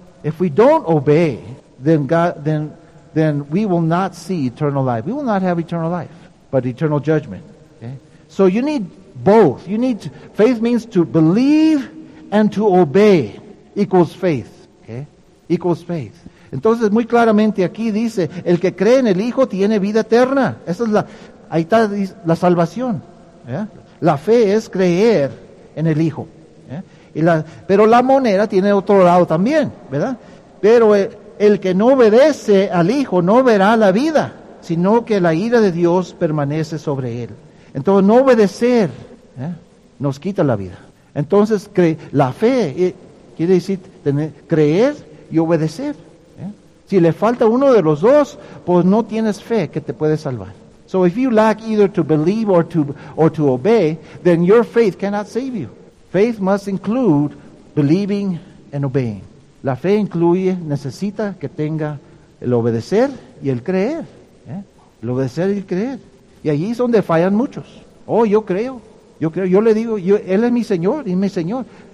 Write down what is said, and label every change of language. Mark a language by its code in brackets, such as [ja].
[en] If we don't obey, then we will not see eternal life. We will not have eternal life, but eternal judgment. Okay? So you need both. You need faith means to believe and to obey equals faith. Okay? Equals faith. [es] Entonces, muy claramente aquí dice, el que cree en el Hijo tiene vida eterna. Esa es ahí está la salvación. Yeah? La fe es creer en el Hijo. Yeah? Pero la moneda tiene otro lado también, ¿verdad? Pero el que no obedece al Hijo no verá la vida, sino que la ira de Dios permanece sobre él. Entonces, no obedecer, ¿eh?, nos quita la vida. Entonces, la fe quiere decir creer y obedecer. ¿Eh? Si le falta uno de los dos, pues no tienes fe que te puede salvar. [en] So, if you lack either to believe or to obey, then your faith cannot save you. Faith must include believing and obeying. [es] La fe incluye, necesita que tenga el obedecer y el creer. ¿Eh? El obedecer y el creer. Y allí es donde fallan muchos. Oh, yo creo, yo le digo, Él es mi Señor, y es mi Señor.